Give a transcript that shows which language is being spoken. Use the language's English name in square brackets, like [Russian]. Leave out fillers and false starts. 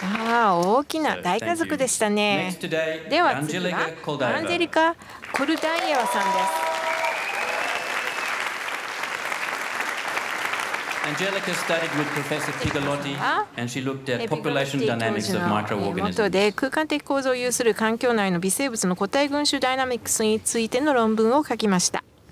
[Japanese] 大きな大家族でしたね。では次はアンジェリカ・コルダイエワさんです。 [English] アンジェリカ studied with Professor Pigalotti and she looked at population dynamics of microorganisms. [Japanese] 元で空間的構造を有する環境内の微生物の個体群集ダイナミックスについての論文を書きました。